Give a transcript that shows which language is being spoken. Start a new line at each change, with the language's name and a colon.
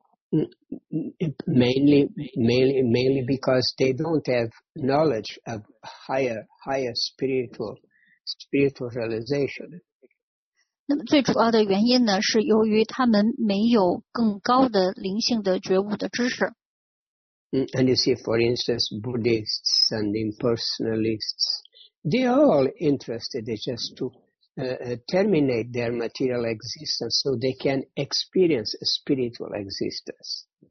English: Mainly because they don't have knowledge of higher spiritual realization.
Chinese: 那么最主要的原因呢，是由于他们没有更高的灵性的觉悟的知识。
English: And you see, for instance, Buddhists and impersonalists, they're all interested just to. Terminate their material existence so they can experience a spiritual existence.